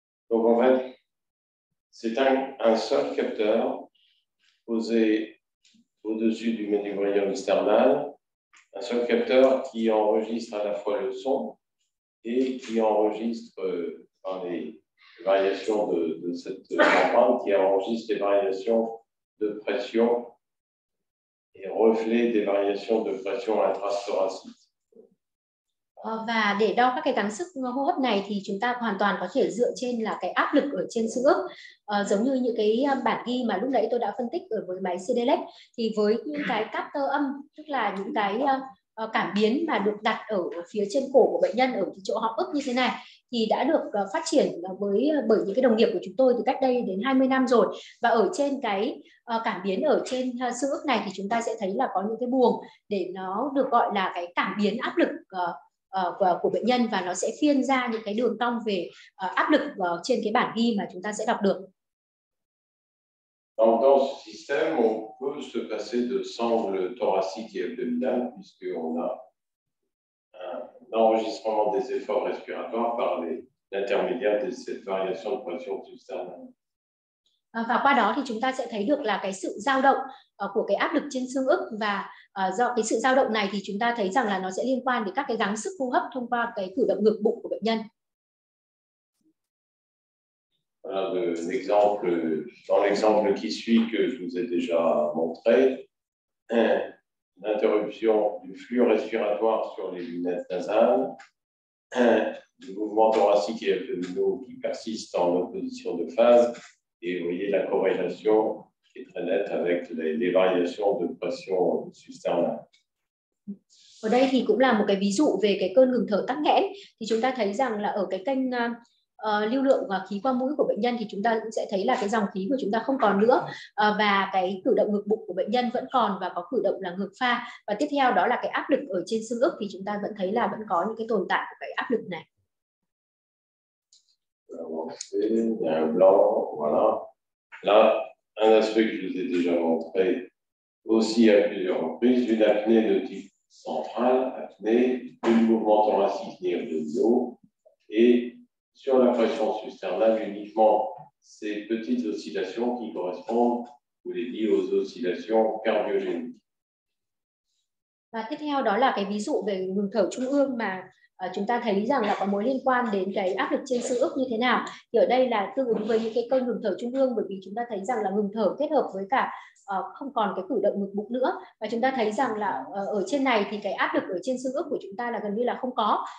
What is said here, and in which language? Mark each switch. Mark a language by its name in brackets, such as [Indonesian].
[French] Donc en fait, c'est un seul capteur posé au-dessus du manubrium sternal, un seul capteur qui enregistre à la fois le son et qui enregistre les variations de cette membrane, qui enregistre les variations de pression et reflet des variations de pression intrathoracique. [Vietnamese] Và để đo các cái gắng sức hô hấp này thì chúng ta hoàn toàn có thể dựa trên là cái áp lực ở trên xương ức, giống như những cái bản ghi mà lúc nãy tôi đã phân tích ở với máy CDLX, thì với những cái capter âm, tức là những cái cảm biến mà được đặt ở phía trên cổ của bệnh nhân ở cái chỗ họng ức như thế này thì đã được phát triển bởi những cái đồng nghiệp của chúng tôi từ cách đây đến 20 năm rồi. Và ở trên cái cảm biến ở trên xương ức này thì chúng ta sẽ thấy là có những cái buồng để nó được gọi là cái cảm biến áp lực của bệnh nhân, và nó sẽ phiên ra những cái đường cong về áp lực trên cái bản ghi mà chúng ta sẽ đọc được. [French] Donc dans ce système, on peut se passer de sangle thoracique et abdominal, puisqu'on a un enregistrement des efforts respiratoires par l'intermédiaire de cette variation de pression susternale. [Vietnamese] Và qua đó thì chúng ta sẽ thấy được là cái sự dao động của cái áp lực trên xương ức, và do cái sự dao động này thì chúng ta thấy rằng là nó sẽ liên quan đến các cái gắng sức hô hấp thông qua cái cử động ngực bụng của bệnh nhân. [French] Voilà l'exemple, dans l'exemple qui suit que je vous ai déjà montré, l'interruption du flux respiratoire sur les lunettes nasales, les mouvements thoraciques et abdominaux qui persistent en opposition de phase, et vous voyez la corrélation qui est très nette avec les variations de pression susternale. [Vietnamese] Ở đây thì cũng là một cái ví dụ về cái cơn ngừng thở tắc nghẽn, thì chúng ta thấy rằng là ở cái kênh lưu lượng khí qua mũi của bệnh nhân thì chúng ta cũng sẽ thấy là cái dòng khí của chúng ta không còn nữa, và cái cử động ngực bụng của bệnh nhân vẫn còn và có cử động là ngực pha, và tiếp theo đó là cái áp lực ở trên xương ức thì chúng ta vẫn thấy là vẫn có những cái tồn tại của cái áp lực này. [French] Voilà. Là un aspect que je vous ai déjà montré aussi à plusieurs reprises, une apnée de type central, apnée, un mouvement thoracique nerveux de dos et sur la pression susternale, uniquement ces petites oscillations qui correspondent, vous l'avez dit, aux oscillations cardiogéniques. [Vietnamese] Và tiếp theo đó là cái ví dụ về ngừng thở trung ương mà chúng ta thấy rằng là có mối liên quan đến cái áp lực trên xương ức như thế nào. Thì ở đây là tương ứng với những cái cơn ngừng thở trung ương, bởi vì chúng ta thấy rằng là ngừng thở kết hợp với cả không còn cái cử động ngực bụng nữa, và chúng ta thấy rằng là ở trên này thì cái áp lực ở trên xương ức của chúng ta là gần như là không có.